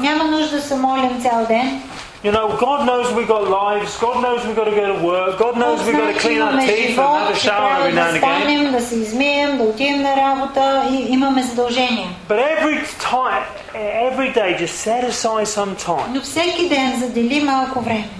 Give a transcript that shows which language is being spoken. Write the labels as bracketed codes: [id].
[bg] Няма нужда да се молим цял ден. [en] You know, God knows we got lives. God knows we got to go to work. God knows we got to clean our teeth and have a shower every now and again. [bg] Да се измием, да отидем на работа и имаме задължения. [en] But every time, every day, just set aside some time. [bg] Но всеки ден задели малко време.